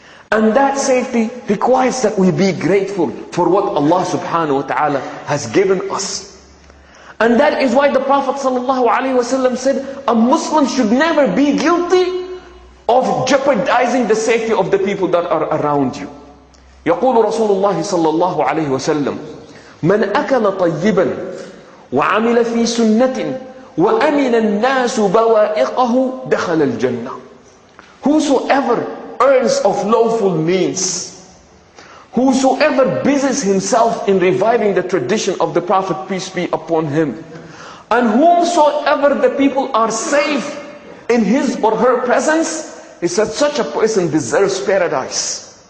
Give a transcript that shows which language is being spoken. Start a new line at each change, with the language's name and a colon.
English: And that safety requires that we be grateful for what Allah subhanahu wa ta'ala has given us. And that is why the Prophet sallallahu alaihi wasallam said, a Muslim should never be guilty of jeopardizing the safety of the people that are around you.
Arabic: يقول رسول الله صلى الله عليه وسلم من أكل طيبا وعمل في سنة وأمن الناس بوائقه دخل الجنة.
English: Whosoever earns of lawful means, whosoever busies himself in reviving the tradition of the Prophet, peace be upon him, and whomsoever the people are safe in his or her presence, he said, such a person deserves paradise.